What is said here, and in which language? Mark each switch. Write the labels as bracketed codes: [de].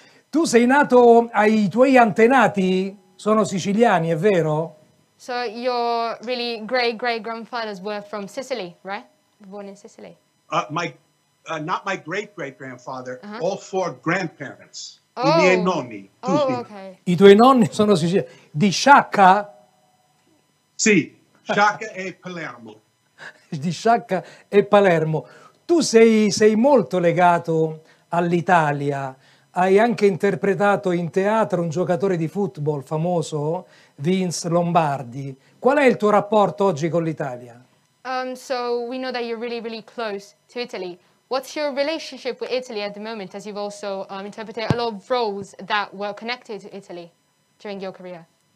[it] sei nato, ai tuoi antenati sono siciliani, è vero? [en] So your really great great grandfathers were from Sicily, right? Born in Sicily. Not my great great grandfather, all four grandparents, [it] i miei nonni, tutti. I tuoi nonni sono siciliani. Di Sciacca? Sì, Sciacca e Palermo. Di Sciacca e Palermo. Tu sei molto legato all'Italia. Hai anche interpretato in teatro un giocatore di football famoso, Vince Lombardi. Qual è il tuo rapporto oggi con l'Italia? [en] So we know that you're really, really close to Italy. What's your relationship with Italy at the moment, as you've also interpreted a lot of roles that were connected to Italy during your career?